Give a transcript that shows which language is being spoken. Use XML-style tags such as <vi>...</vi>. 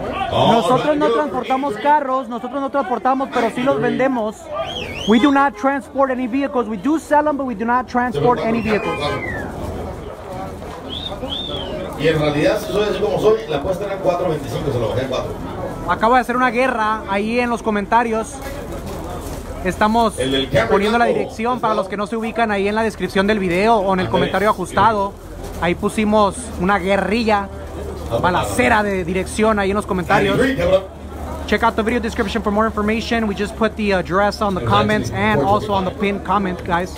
<es>Nosotros no transportamos carros, nosotros no transportamos, pero sí los vendemos.</es> <en>We do not transport any vehicles. We do sell them, but we do not transport any vehicles.</en> <es>Y en realidad, si soy así como soy, la apuesta era 4.25, se lo bajé 4. Acabo de hacer una guerra ahí en los comentarios. Estamos poniendo la dirección para los que no se ubican ahí en la descripción del video o en el comentario ajustado. Ahí pusimos una guerrilla, balacera de dirección ahí en los comentarios.</es> <en>Check out the video description for more information. We just put the address on the comments and also on the pinned comment, guys.</en>